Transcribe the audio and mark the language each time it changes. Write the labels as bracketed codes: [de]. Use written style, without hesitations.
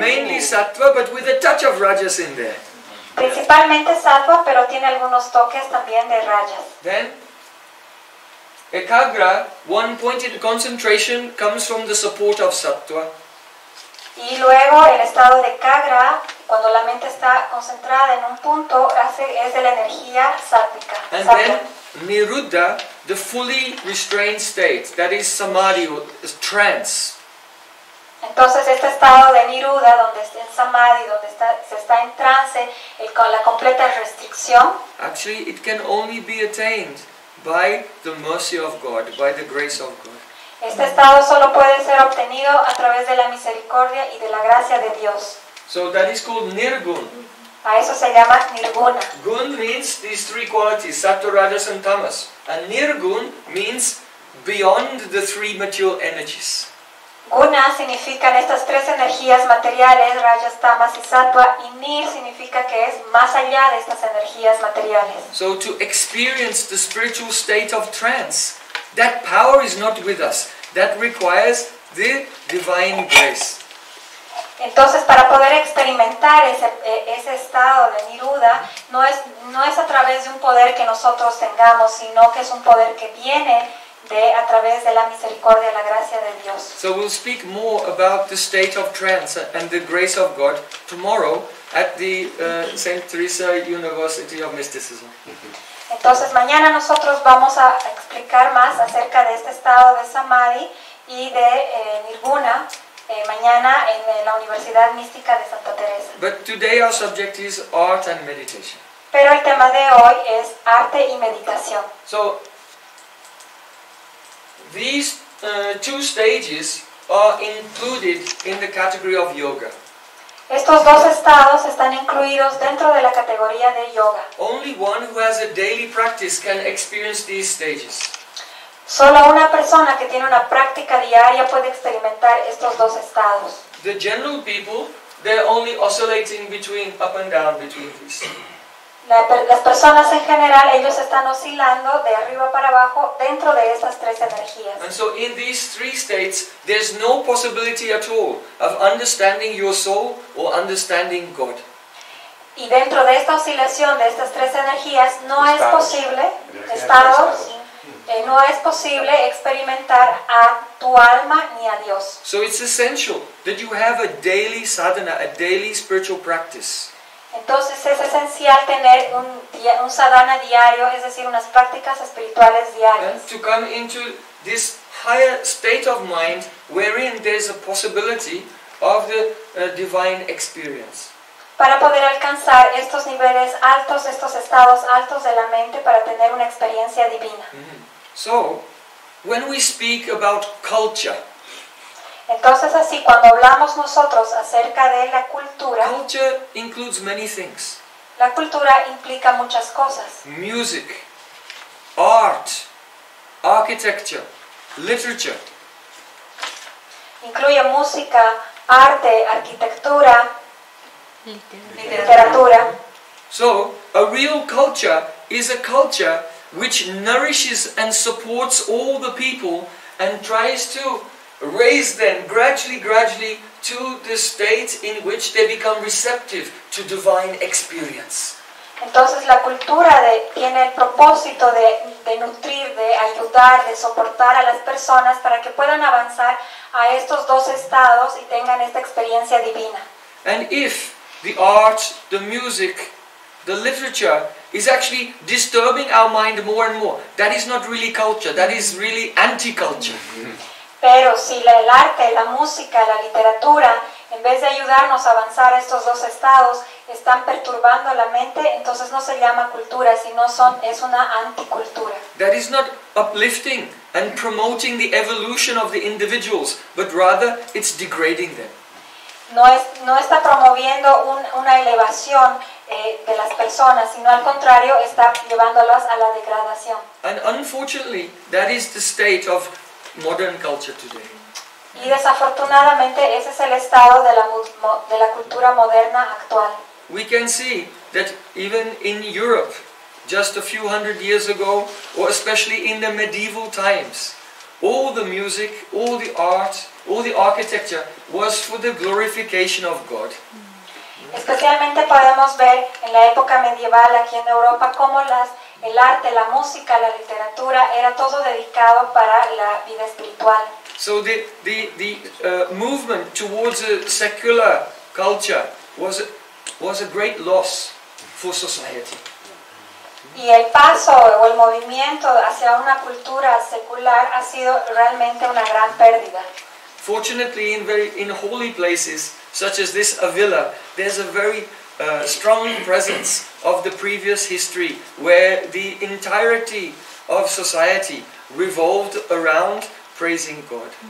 [en] Mainly sattva, but with a touch of rajas in there. [es] Principalmente sattva, pero tiene algunos toques también de rayas. [en] Then, ekagra, one-pointed concentration, comes from the support of sattva. [es] Y luego, el estado de ekagra, cuando la mente está concentrada en un punto, es de la energía sattvica. [en] And sattva. Then, niruddha, the fully restrained state, that is samadhi, trance. [es] Entonces este estado de Niruddha, donde está en Samadhi, donde se está en trance, con la completa restricción. [en] Actually, it can only be attained by the mercy of God, by the grace of God. [es] Este estado solo puede ser obtenido a través de la misericordia y de la gracia de Dios. [en] So that is called Nirgun. [es] A eso se llama Nirguna. [en] Gun means these three qualities, Sattva, Rajas and Tamas. And Nirgun means beyond the three material energies. [es] Guna significan estas tres energías materiales, rayas, tamas y sattva, y nir significa que es más allá de estas energías materiales. [en] So to experience the spiritual state of trance, that power is not with us. That requires the divine grace. [es] Entonces, para poder experimentar ese estado de Niruddha, no es a través de un poder que nosotros tengamos, sino que es un poder que viene a través de la misericordia y la gracia de Dios. [en] So we'll speak more about the state of trance and the grace of God tomorrow at the St. Teresa University of Mysticism. [es] Entonces mañana nosotros vamos a explicar más acerca de este estado de Samadhi y de Nirguna mañana en la Universidad Mística de Santa Teresa. [en] But today our subject is art and meditation. [es] Pero el tema de hoy es arte y meditación. [en] So, these two stages are included in the category of yoga. [es] Estos dos estados están incluidos dentro de la categoría de yoga. [en] Only one who has a daily practice can experience these stages. [es] Solo una persona que tiene una práctica diaria puede experimentar estos dos estados. [en] The general people, they're only oscillating between up and down between these. [es] Las personas en general, ellos están oscilando de arriba para abajo dentro de estas tres energías. [en] And so in these three states, there's no possibility at all of understanding your soul or understanding God. [es] Y dentro de esta oscilación de estas tres energías, no es posible, estados, no es posible experimentar a tu alma ni a Dios. [en] So it's essential that you have a daily sadhana, a daily spiritual practice. [es] Entonces es esencial tener un sadhana diario, es decir, unas prácticas espirituales diarias. [en] And to come into this higher state of mind wherein there is a possibility of the divine experience. [es] Para poder alcanzar estos niveles altos, estos estados altos de la mente para tener una experiencia divina. Mm-hmm. [en] So, when we speak about culture, [es] entonces así, cuando hablamos nosotros acerca de la cultura, [en] culture includes many things. [es] La cultura implica muchas cosas. [en] Music, art, architecture, literature. [es] Incluye música, arte, arquitectura, literatura. [en] So, a real culture is a culture which nourishes and supports all the people and tries to raise them gradually to the state in which they become receptive to divine experience. [es] Entonces la cultura tiene el propósito de nutrir, de ayudar, de soportar a las personas para que puedan avanzar a estos dos estados y tengan esta experiencia divina. [en] And if the art, the music, the literature is actually disturbing our mind more and more, that is not really culture, that is really anti-culture. [es] Pero si el arte, la música, la literatura, en vez de ayudarnos a avanzar a estos dos estados, están perturbando la mente, entonces no se llama cultura, sino es una anticultura. [en] That is not uplifting and promoting the evolution of the individuals, but rather it's degrading them. [es] No está promoviendo una elevación de las personas, sino al contrario, está llevándolas a la degradación. [en] And unfortunately, that is the state of modern culture today. [es] Y desafortunadamente ese es el estado de la cultura moderna actual. [en] We can see that even in Europe, just a few hundred years ago, or especially in the medieval times, all the music, all the art, all the architecture was for the glorification of God. [es] Especialmente podemos ver en la época medieval aquí en Europa cómo el arte, la música, la literatura, era todo dedicado para la vida espiritual. [en] So the movement towards a secular culture was a great loss for society. [es] Y el paso o el movimiento hacia una cultura secular ha sido realmente una gran pérdida. [en] Fortunately, in holy places such as this Avila, there's a very strong presence of the previous history where the entirety of society revolved around praising God.